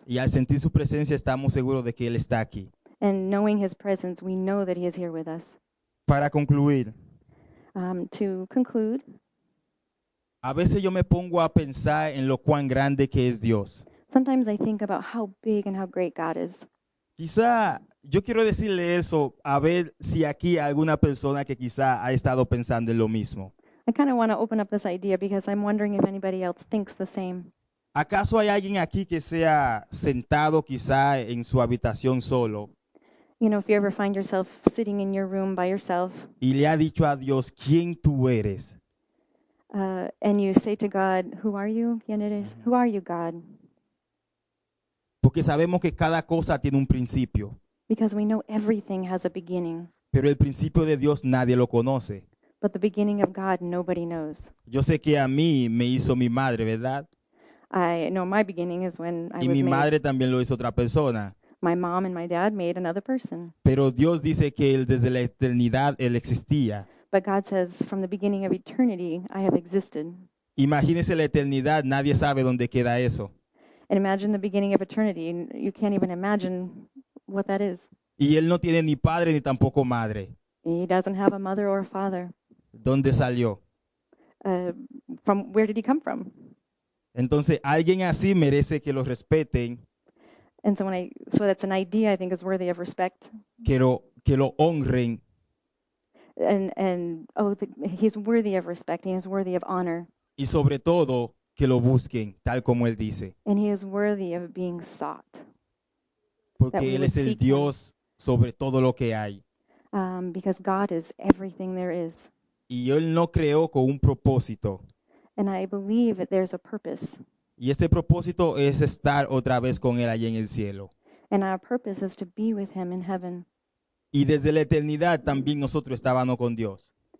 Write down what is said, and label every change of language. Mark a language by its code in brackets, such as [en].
[es] Y al sentir su presencia, estamos seguros de que él está aquí. [en] And knowing his presence, we know that he is here with us. [es] Para concluir. [en] To conclude. [es] A veces yo me pongo a pensar en lo cuán grande que es Dios. [en] Sometimes I think about how big and how great God is. [es] Quizá yo quiero decirle eso a ver si aquí hay alguna persona que quizá ha estado pensando en lo mismo. [en] I kind of want to open up this idea because I'm wondering if anybody else thinks the same. [es] ¿Acaso hay alguien aquí que sea sentado quizá en su habitación solo? [en] You know, if you ever find yourself sitting in your room by yourself. [es] Y le ha dicho a Dios, ¿quién tú eres? [en] And you say to God, who are you? [es] ¿Quién eres? [en] Who are you, God? [es] Porque sabemos que cada cosa tiene un principio. [en] Because we know everything has a beginning. [es] Pero el principio de Dios nadie lo conoce. [en] But the beginning of God, nobody knows. [es] Yo sé que a mí me hizo mi madre, ¿verdad? [en] I know my beginning is when I was made. [es] Y mi madre también lo hizo otra persona. [en] My mom and my dad made another person. [es] Pero Dios dice que él, desde la eternidad, él existía. [en] But God says, from the beginning of eternity, I have existed. [es] Imagínese la eternidad, nadie sabe dónde queda eso. [en] And imagine the beginning of eternity, you can't even imagine what that is. [es] Y él no tiene ni padre ni tampoco madre. [en] He doesn't have a mother or a father. [es] ¿Dónde salió? [en] From where did he come from? [es] Entonces, alguien así merece que lo respeten. [en] And so, so that's an idea I think is worthy of respect. [es] Que lo honren. [en] And he's worthy of respect. He is worthy of honor. [es] Y sobre todo, que lo busquen, tal como él dice. [en] And he is worthy of being sought. [es] Porque él es el Dios sobre todo lo que hay. [en] Because God is everything there is. [es] Y él no creó con un propósito. [en] And I believe that there's a purpose. [es] Y este propósito es estar otra vez con él allí en el cielo. [en] And our purpose is to be with him in heaven. [es] Y desde la eternidad también nosotros estábamos con Dios.